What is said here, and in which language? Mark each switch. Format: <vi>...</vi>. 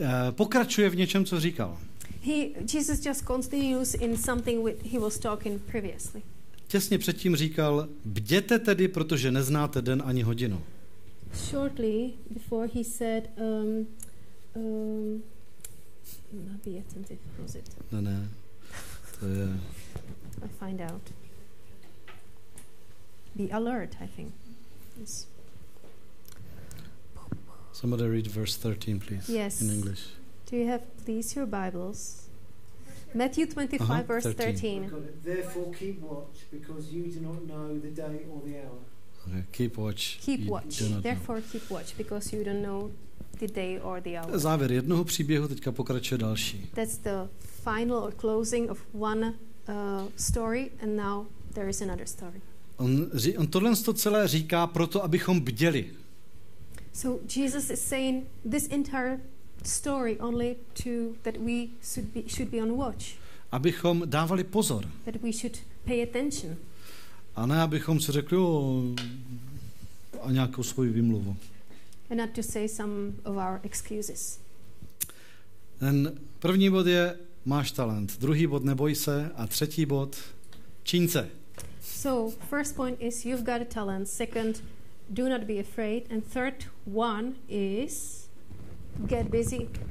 <cs>Pokračuje v něčem, co říkal.</cs> <en>Jesus just continues in something with he was talking previously.</en> <cs>Těsně předtím říkal, bděte tedy, protože neznáte den ani hodinu.</cs> <en>Shortly before he said maybe attentive, was it?</en> <cs>Ne. To je.</cs> <en>I find out. Be alert, I think. Yes. Somebody read verse 13, please. Yes. In English. Do you have, please, your Bibles? Matthew 25, verse 13. Therefore keep watch, because you do not know the day or the hour. Keep watch. Keep watch. Therefore keep watch, because you don't know the day or the hour.</en> <cs>Závěr jednoho příběhu, teďka pokračuje další.</cs> <en>That's the final or closing of one story, and now there is another story.</en> <cs>On tohle to celé říká proto, abychom bděli.</cs> <en>So Jesus is saying this entire story only to that we should be on watch.</en> <cs>Abychom dávali pozor.</cs> <en>That we should pay attention.</en> <cs>A ne, abychom si řekli o, a nějakou svoji výmluvu.</cs> <en>And not to say some of our excuses.</en> <cs>Ten první bod je máš talent, druhý bod neboj se a třetí bod čiň se.</cs> <en>So, first point is you've got a talent, second do not be afraid and third one is get busy.</en>